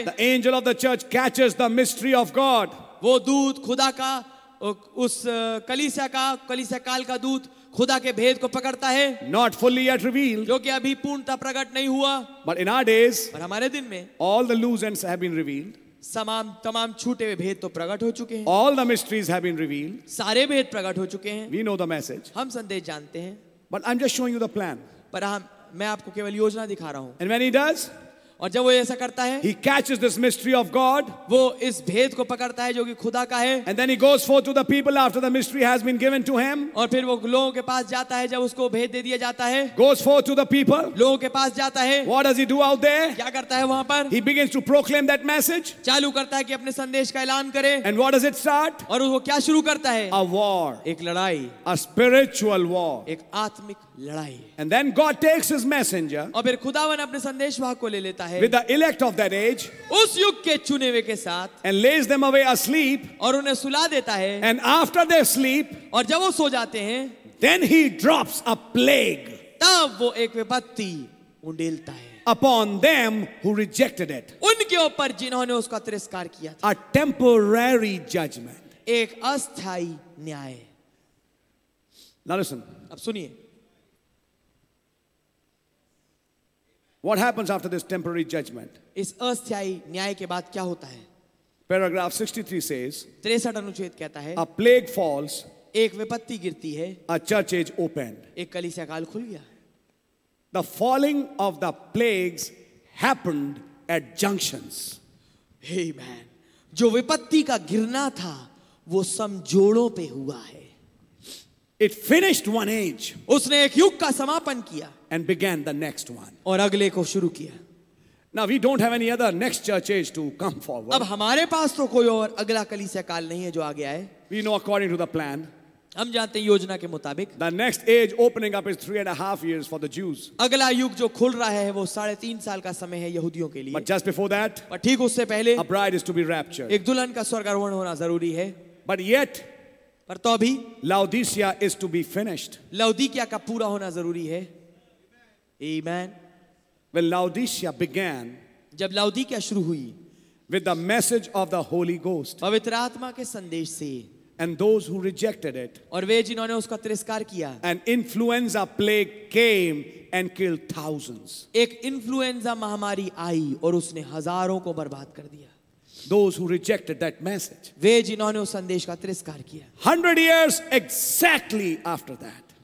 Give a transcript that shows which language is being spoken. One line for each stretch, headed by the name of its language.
English: The angel of the church catches the mystery of God.
Hindi: वो दूत खुदा का उस कलीसिया काल का दूत खुदा के भेद को पकड़ता है
English: Not fully yet revealed.
Hindi: क्योंकि अभी पूर्णता प्रकट नहीं हुआ
English: But in our days,
Hindi: पर हमारे दिन में
English: all the loose ends have been revealed.
Hindi: समाम तमाम छूटे हुए भेद तो प्रकट हो चुके हैं
English: All the mysteries have been revealed.
Hindi: सारे भेद प्रकट हो चुके हैं
English: We know the message.
Hindi: हम संदेश जानते हैं
English: But I'm just showing you the plan.
Hindi: पर मैं आपको केवल योजना दिखा रहा हूँ
English: And when he does,
Hindi: और जब वो ऐसा करता है
English: he catches this mystery of God,
Hindi: वो इस भेद को पकड़ता है जो कि खुदा का है
English: and then he goes forth to the people after the mystery has been given to him,
Hindi: और फिर वो लोगों के पास जाता है जब उसको भेद दे दिया जाता है
English: goes forth to the people,
Hindi: लोगों के पास जाता है
English: what does he do out there,
Hindi: क्या करता है वहां पर
English: he begins to proclaim that message,
Hindi: चालू करता है कि अपने संदेश का ऐलान करे
English: and what does it start,
Hindi: और वो क्या शुरू करता है
English: a war,
Hindi: एक लड़ाई
English: a spiritual war,
Hindi: एक आत्मिक लड़ाई
English: and then God takes his messenger,
Hindi: और फिर खुदावन अपने संदेश वाह को ले लेता
English: With the elect of that age,
Hindi: उस युग के चुनेवे के साथ,
English: and lays them away asleep,
Hindi: और उन्हें सुला देता है,
English: and after they sleep,
Hindi: और जब वो सो जाते हैं,
English: then he drops a plague,
Hindi: तब वो एक विपत्ति उंडेलता है,
English: upon them who rejected it,
Hindi: उनके ऊपर जिन्होंने उसका तिरस्कार किया था,
English: a temporary judgment,
Hindi: एक अस्थाई न्याय.
English: Now listen,
Hindi: अब सुनिए.
English: What happens after this temporary judgment?
Hindi: इस अस्थाई न्याय के बाद क्या होता है?
English: Paragraph 63 says.
Hindi: 63 अनुच्छेद कहता है.
English: A plague falls.
Hindi: एक विपत्ति गिरती है.
English: A church age opened.
Hindi: एक कलीसिया काल खुल गया.
English: The falling of the plagues happened at junctions. Amen.
Hindi: जो विपत्ति का गिरना था, वो समझोड़ों पे हुआ है.
English: It finished one age.
Hindi: उसने एक युग का समापन किया.
English: And began the next one.
Hindi: और अगले को शुरू किया.
English: Now we don't have any other next church age to come forward.
Hindi: अब हमारे पास तो कोई और अगला कलीसिया काल नहीं है जो आ गया है.
English: We know according to the plan.
Hindi: हम जानते हैं योजना के मुताबिक.
English: The next age opening up is 3.5 years for the Jews.
Hindi: अगला युग जो खुल रहा है वो 3.5 साल का समय है यहूदियों के लिए.
English: But just before that.
Hindi: पर ठीक उससे पहले.
English: A bride is to be raptured.
Hindi: एक दुल्हन का स्वर्गारोहण होना जरूरी है.
English: But yet.
Hindi: पर तो भी.
English: Laodicea is to be finished.
Hindi: लौदीकिया का पूरा होना जरूरी है.
English: Amen. When Laodicea began,
Hindi: जब लौदीकिया शुरू हुई,
English: with the message of the Holy Ghost,
Hindi: पवित्र आत्मा के संदेश से,
English: and those who rejected it,
Hindi: और वे जिन्होंने उसका तिरस्कार किया,
English: an influenza plague came and killed thousands.
Hindi: एक influenza महामारी आई और उसने हजारों को बर्बाद कर दिया.
English: Those who rejected that message,
Hindi: वे जिन्होंने उस संदेश का तिरस्कार किया.
English: 100 years exactly after that,